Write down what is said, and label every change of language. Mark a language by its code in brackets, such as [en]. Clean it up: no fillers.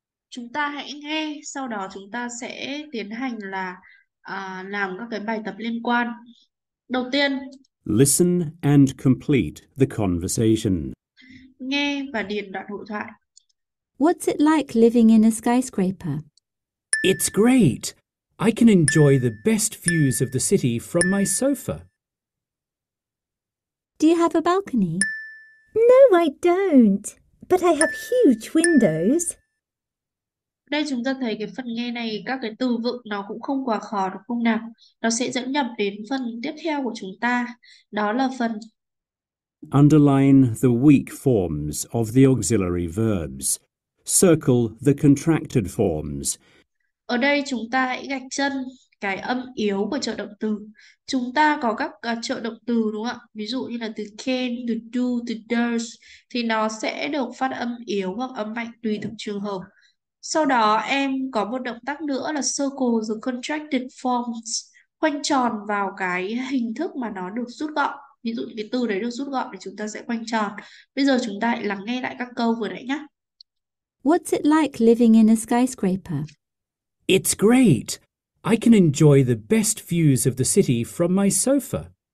[vi] Chúng ta hãy nghe, sau đó chúng ta sẽ tiến hành là làm các cái bài tập liên quan. Đầu tiên, [en] Listen and complete the conversation. [vi] nghe và điền đoạn hội thoại. [en] What's it like living in a skyscraper? It's great. I can enjoy the best views of the city from my sofa. Do you have a balcony? No, I don't. But I have huge windows. [vi] Đây chúng ta thấy cái phần nghe này, các cái từ vựng nó cũng không quá khó đúng không nào? Nó sẽ dẫn nhập đến phần tiếp theo của chúng ta. Đó là phần [en] Underline the weak forms of the auxiliary verbs. Circle the contracted forms. [vi] Ở đây chúng ta hãy gạch chân cái âm yếu của trợ động từ. Chúng ta có các trợ động từ đúng không ạ? Ví dụ như là từ can, từ do, từ does. Thì nó sẽ được phát âm yếu hoặc âm mạnh tùy từng trường hợp. Sau đó em có một động tác nữa là [en] circle the contracted forms, [vi] khoanh tròn vào cái hình thức mà nó được rút gọn. Ví dụ cái từ đấy được rút gọn thì chúng ta sẽ khoanh tròn. Bây giờ chúng ta hãy lắng nghe lại các câu vừa nãy nhé. [en] What's it like living in a skyscraper? It's great. I can enjoy the best views of the city from my sofa.